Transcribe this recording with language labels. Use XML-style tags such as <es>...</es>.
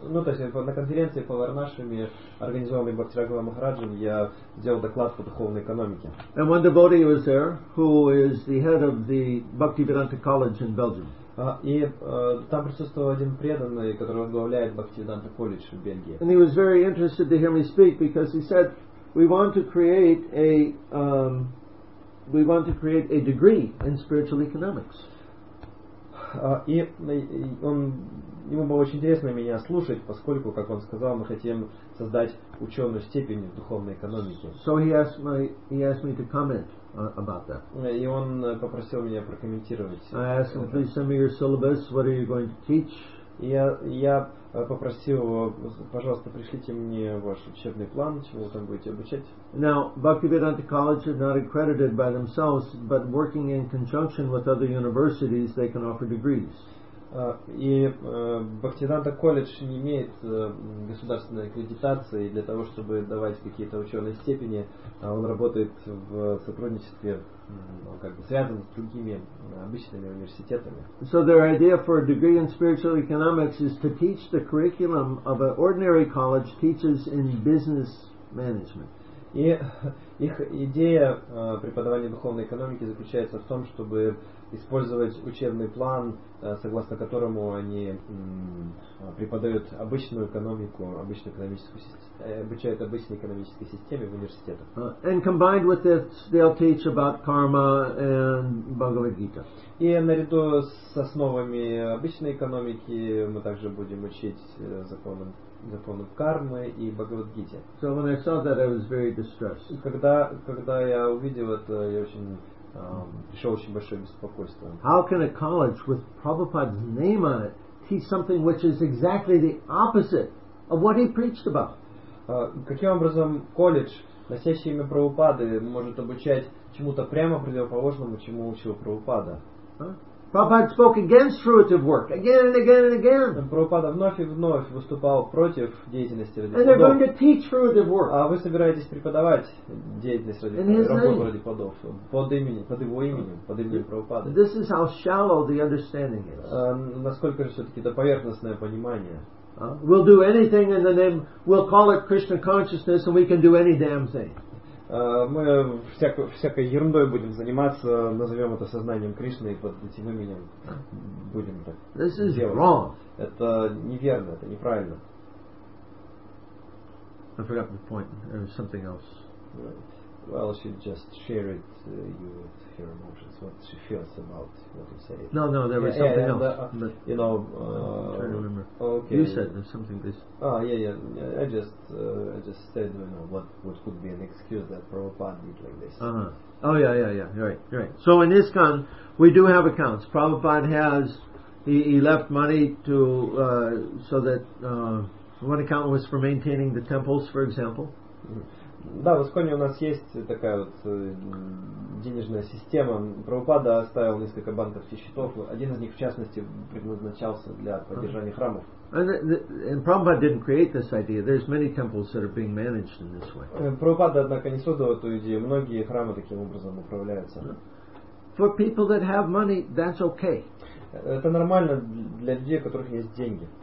<ru>Ну, то есть на конференции по Варнашраме, организованной Бхакти Рагхава Махараджем, я сделал доклад по духовной экономике.</ru> <en>And one devotee was there, who is the head of the Bhaktivedanta College in Belgium.</en> <ru>Там присутствовал один преданный, который возглавляет Бхактивиданта колледж в Бельгии.</ru> <en>And he was very interested to hear me speak because he said, we want to create a degree in spiritual economics.</en> <ru>Ему было очень интересно меня слушать, поскольку, как он сказал, мы хотим создать ученую степень в духовной экономике.</ru> <en>So he asked me to comment about that.</en> <ru>И он попросил меня прокомментировать.</ru> <en>I asked him, please send me your syllabus. What are you going to teach?</en> <ru>Я попросил его, пожалуйста, пришлите мне ваш учебный план, чего вы там будете обучать.</ru> <en>Now, Bhaktivedanta College is not accredited by themselves, but working in conjunction with other universities, they can offer degrees.</en> <ru>И Бхактивиданта колледж не имеет государственной аккредитации для того, чтобы давать какие-то ученые степени. Он работает в сотрудничестве, как бы связан с другими обычными университетами.</ru> <en>So their idea for a degree in spiritual economics is to teach the curriculum of an ordinary college teaches in business management.</en> <ru>И их идея преподавания духовной экономики заключается в том, чтобы использовать учебный план, согласно которому они преподают обычную экономику, обычную экономическую систему, обучают обычной экономической системе в университетах.</ru> <en>And combined with this, they'll teach about karma and Bhagavad Gita.</en> <ru>И наряду с основами обычной экономики мы также будем учить законам. Закону кармы и Бхагавад-гите.</ru> <en>So when I saw that, I was very distressed.</en> <ru>Когда я увидел это, я очень пришел очень большое беспокойство.</ru> <en>How can a college with Prabhupada's name on it teach something which is exactly the opposite of what he preached about?</en> <ru>Каким образом колледж, носящий имя Прабхупады, может обучать чему-то прямо противоположному, чему учил Прабхупада?</ru> <en>Prabhupada spoke against fruitive work again and again and again.</en> <ru>Прабхупада вновь и вновь выступал против деятельности ради плодов.</ru> <en>And they're going to teach fruitive work.</en> <ru>А вы собираетесь преподавать деятельность ради плодов, работу ради плодов, под его именем Прабхупады.</ru> <en>This is how shallow the understanding is.</en> <ru>Насколько же все-таки это поверхностное понимание?</ru> <en>We'll do anything in the name. We'll call it Krishna consciousness, and we can do any damn thing.</en> <ru>Мы всякой ерундой будем заниматься, назовем это сознанием Кришны и под этим именем будем так</ru> <en>This is</en> <ru>делать.</ru> <en>Wrong.</en> <ru>Это неверно, это неправильно.</ru> <en>I forgot the point. There was something else. Right. Well, she just shared it, you with her emotions, what she feels about what you said. No, there was something else. You know, I'm trying to remember. Okay. You said there's something this. Yeah. I just said, you know, what could be an excuse that Prabhupada did like this. Uh-huh. Oh, yeah. You're right. So in ISKCON, we do have accounts. Prabhupada has, he left money to, so that, one account was for maintaining the temples, for example.</en> <ru>Да, в Исконе у нас есть такая вот денежная система. Прабхупада оставил несколько банков и счетов. Один из них, в частности, предназначался для поддержания храмов.</ru> <en>And Prabhupada didn't create this idea. There's many temples that are being managed in this way.</en> <ru>Прабхупада, однако, не создал эту идею. Многие храмы таким образом управляются.</ru> <en>For people that have money, that's okay.</en> <ru>Это нормально для людей, у которых есть деньги.</ru>